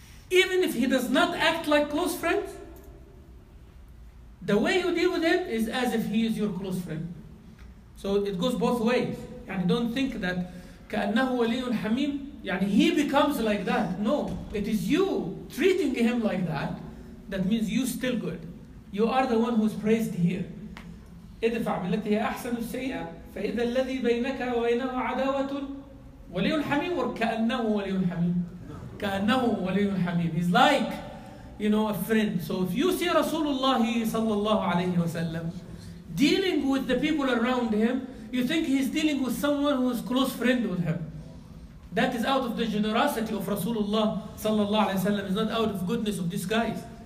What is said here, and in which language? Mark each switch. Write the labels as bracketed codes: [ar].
[en] Even if he does not act like close friend, the way you deal with him is as if he is your close friend. So it goes both ways. [ar] يعني [en] don't think that [ar] كأنه ولي حميم, يعني [en] he becomes like that. No, it is you treating him like that. That means you still good. You are the one who's praised here. [ar] ادفع بالتي هي أحسن السيئة فإذا الذي بينك وبينه عداوة ولي حميم وكأنه ولي حميم كأنه ولي حميم. [en] He's like, you know, a friend. So if you see Rasulullah [ar] صلى الله عليه وسلم [en] dealing with the people around him, you think he's dealing with someone who is close friend with him. That is out of the generosity of Rasulullah [ar] صلى الله عليه وسلم. [en] It's not out of goodness of these guys.